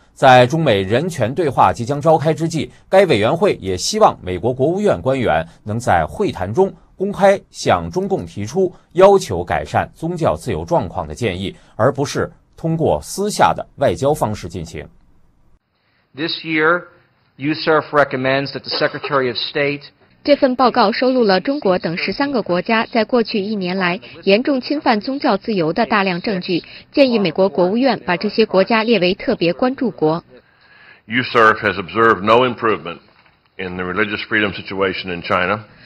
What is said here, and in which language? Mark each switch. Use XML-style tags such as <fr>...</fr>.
<zh>在中美人权对话即将召开之际，该委员会也希望美国国务院官员能在会谈中公开向中共提出要求改善宗教自由状况的建议，而不是通过私下的外交方式进行。</zh> <en>This year, USERF recommends that the Secretary of State.</en> <zh>这份报告收录了中国等13个国家在过去一年来严重侵犯宗教自由的大量证据，建议美国国务院把这些国家列为特别关注国。</zh> <en>USERF has observed no improvement in the religious freedom situation in China.</en>